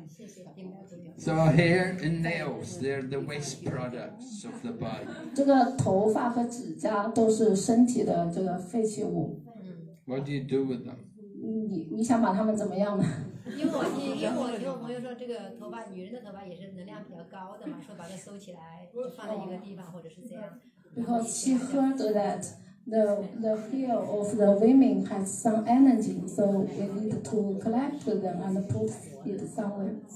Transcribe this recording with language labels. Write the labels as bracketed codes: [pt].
[zh] 这个那个地方。 [en] So hair and nails, they're the waste products of the body. [zh] 这个头发和指甲都是身体的这个废弃物。 [en] What do you do with them? [zh] 你想把他们怎么样呢？因为我朋友说这个头发，女人的头发也是能量比较高的嘛，说把它收起来，就放在一个地方，或者是这样。 [en] Because she heard that the hair of the women has some energy, so we need to collect them and put it somewhere.